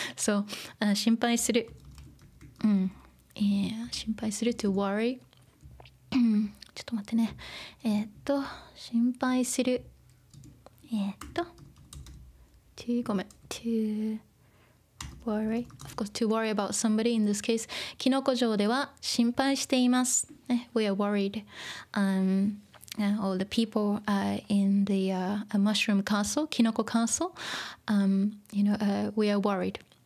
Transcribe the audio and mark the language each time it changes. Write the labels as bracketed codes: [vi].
[ja] So, 心配する。心配する [en] to worry. [ja] ちょっと待ってね。心配する。ごめん。 [en] to worry。 Of course, to worry about somebody in this case. [ja] キノコ城では心配しています。 [en] ね、we are worried. All the people in the mushroom castle, キノコ castle, you know, we are worried.